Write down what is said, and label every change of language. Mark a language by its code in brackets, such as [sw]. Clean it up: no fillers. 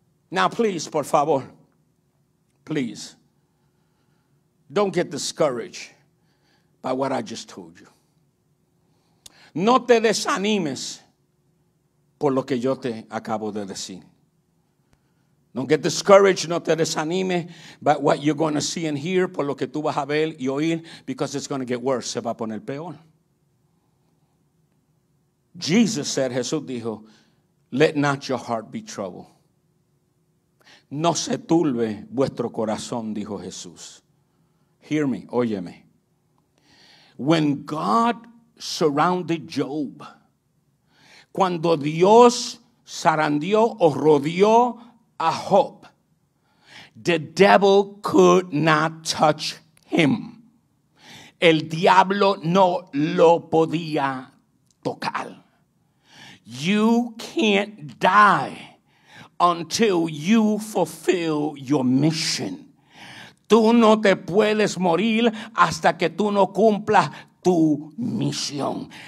[en] Now, please, [es] por favor, [en] please, don't get discouraged by what I just told you. [es] No te desanimes por lo que yo te acabo de decir. [en] Don't get discouraged, [es] no te desanimes [en] by what you're going to see and hear, [es] por lo que tú vas a ver y oír, [en] because it's going to get worse, [es] se va a poner peor. [en] Jesus said, [es] Jesús dijo, [en] let not your heart be troubled. [es] No se turbe vuestro corazón, dijo Jesús. [en] Hear me, [es] óyeme. [en] When God surrounded Job, [es] cuando Dios zarandeó o rodeó a Job, [en] The devil could not touch him. [es] El diablo no lo podía tocar. [en] You can't die until you fulfill your mission. [es] Tú no te puedes morir hasta que tú no cumplas tu misión.